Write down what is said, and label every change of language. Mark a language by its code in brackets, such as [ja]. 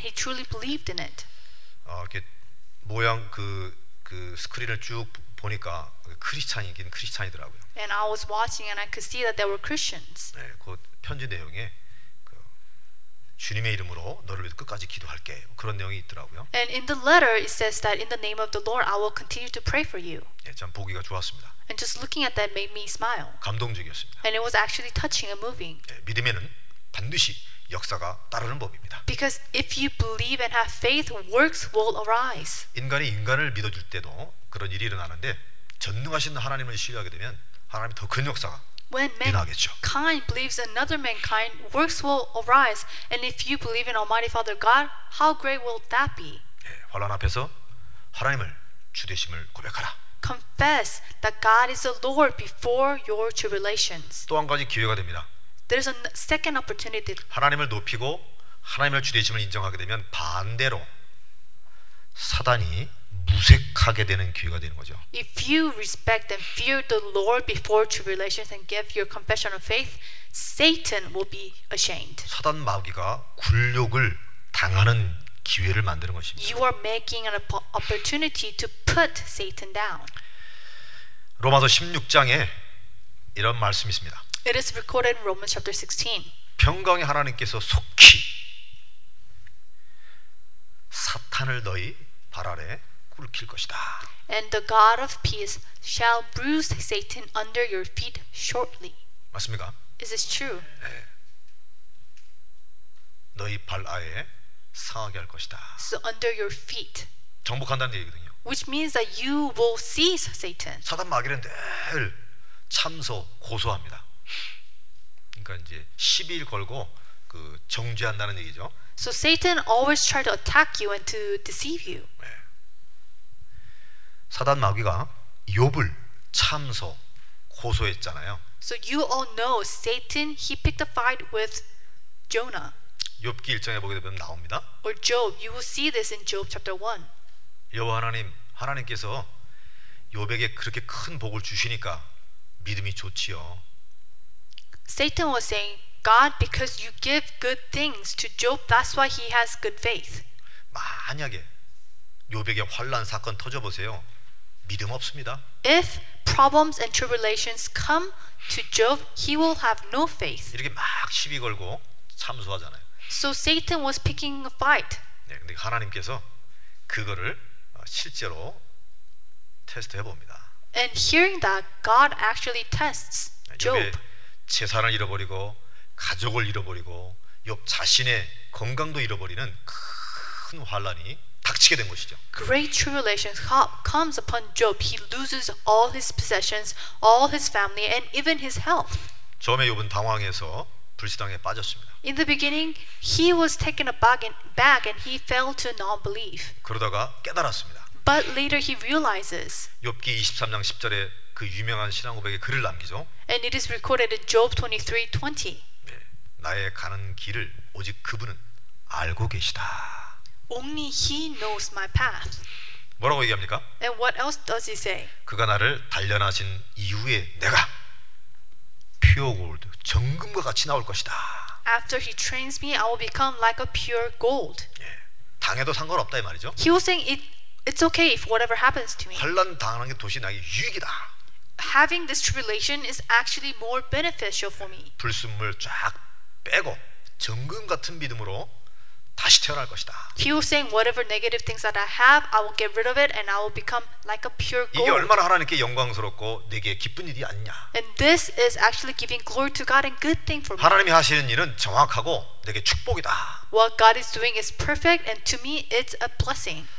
[en] He truly believed in it. [ko] 이렇게 모양 그 스크린을 쭉 보니까 크리스찬이긴 크리스찬이더라고요. [en] And I was watching and I could see that they were Christians. [ko] 네, 그 편지 내용에 주님의 이름으로 너를 위해 끝까지 기도할게 그런 내용이 있더라고요. [en] And in the letter it says that in the name of the Lord I will continue to pray for you. [ko] 예, 참 보기가 좋았습니다. [en] And just looking at that made me smile. [ko] 감동적이었습니다. [en] And it was actually touching and moving. [ko] 예, 믿음에는 반드시 역사가 따르는 법입니다. [en] Because if you believe and have faith, works will arise. [ko] 인간이 인간을 믿어줄 때도 그런 일이 일어나는데 전능하신 하나님을 신뢰하게 되면 하나님 더 큰 역사가 [en] When mankind believes another mankind, works will arise. And if you believe in Almighty Father God, how great will that be? [ko] 예, 환난 앞에서 하나님을 주 되심을 고백하라. [en] Confess that God is the Lord before your tribulations. [ko] 또 한 가지 기회가 됩니다. [en] There's a second opportunity. [ko] 하나님을 높이고 하나님을 주 되심을 인정하게 되면 반대로 사단이 무색하게 되는 기회가 되는 거죠. [en] If you respect and fear the Lord before tribulations and give your confession of faith, Satan will be ashamed. [ko] 사단 마귀가 굴욕을 당하는 기회를 만드는 것입니다. [en] You are making an opportunity to put Satan down. [ko] 로마서 16장에 이런 말씀이 있습니다. [en] It is recorded in Romans chapter 16. [ko] 평강의 하나님께서 속히 사탄을 너희 발 아래 꿇힐 것이다. [en] And the God of peace shall bruise Satan under your feet shortly. [ko] 맞습니까? [en] Is this true? [ko] 네. 너희 발 아래 사하게 할 것이다. [en] So under your feet. [ko] 정복한다는 얘기거든요. [en] Which means that you will seize Satan. [ko] 사단 마귀는 늘 참소 고소합니다. 그러니까 이제 12일 걸고 그 정죄한다는 얘기죠. [en] So Satan always try to attack you and to deceive you. [ko] 네. 사단 마귀가 욥을 참소 고소했잖아요. [en] So you all know Satan he picked a fight with Jonah. [ko] 욥기 1장에 보게 되면 나옵니다. [en] Or Job, you will see this in Job chapter 1. [ko] 여호와 하나님, 하나님께서 욥에게 그렇게 큰 복을 주시니까 믿음이 좋지요. [en] Satan was saying, God, because you give good things to Job, that's why he has good faith. [ko] 만약에 욥에게 환난 사건 터져 보세요. 믿음 없습니다. [en] If problems and tribulations come to Job, he will have no faith. [ko] 이렇게 막 시비 걸고 참소하잖아요. [en] So Satan was picking a fight. [ko] 네, 근데 하나님께서 그거를 실제로 테스트 해 봅니다. [en] And hearing that, God actually tests Job. [ko] 재산을 잃어버리고 가족을 잃어버리고 욥 자신의 건강도 잃어버리는 큰 환난이 닥치게 된 것이죠. [en] Great tribulation comes upon Job. He loses all his possessions, all his family and even his health. [ko] 처음에 욥은 당황해서 불신앙에 빠졌습니다. [en] In the beginning, he was taken aback and he fell to non-belief. [ko] 그러다가 깨달았습니다. [en] But later he realizes. [ko] 욥기 23장 10절에 그 유명한 신앙 고백의 글을 남기죠. [en] And it is recorded in Job 23:20. [ko] 네, 나의 가는 길을 오직 그분은 알고 계시다. [en] Only he knows my path. [ko] 뭐라고 얘기합니까? [en] And what else does he say? [ko] 그가 나를 단련하신 이후에 내가 [en] pure gold, [ko] 정금과 같이 나올 것이다. [en] After he trains me, I will become like a pure gold. [ko] 예, 당해도 상관없다 이 말이죠. [en] He was saying it's okay if whatever happens to me. [ko] 환난 당하는 게 도시 나에게 유익이다. [en] Having this tribulation is actually more beneficial for me. [ko] 불순물 쫙 빼고 정금 같은 믿음으로 다시 태어날 것이다. [en] He was saying whatever negative things that I have, I will get rid of it and I will become like a pure gold. [ko] 이게 얼마나 하나님께 영광스럽고 내게 기쁜 일이 아니냐. [en] And this is actually giving glory to God and good thing for me. [ko] 하나님이 하시는 일은 정확하고 내게 축복이다. [en] What God is doing is perfect and to me it's a blessing.